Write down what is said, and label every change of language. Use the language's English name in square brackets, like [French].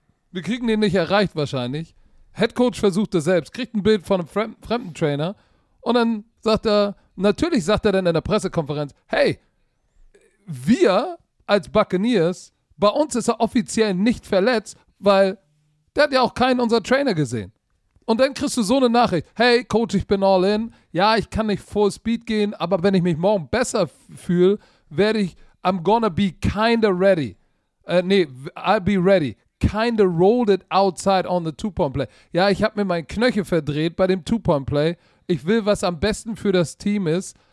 [German] Wir kriegen den nicht erreicht wahrscheinlich. Head Coach versucht es selbst, kriegt ein Bild von einem fremden Trainer und dann sagt er, natürlich sagt er dann in der Pressekonferenz, hey, wir als Buccaneers, bei uns ist er offiziell nicht verletzt, weil der hat ja auch keinen unserer Trainer gesehen. Und dann kriegst du so eine Nachricht, hey Coach, ich bin all in, ja, ich kann nicht full speed gehen, aber wenn ich mich morgen besser fühle, werde ich, [English] I'm gonna be kinda ready. I'll be ready. Kinda rolled it outside on the Two-Point-Play. [German] Ja, ich habe mir meinen Knöchel verdreht bei dem Two-Point-Play. Ich will, was am besten für das Team ist.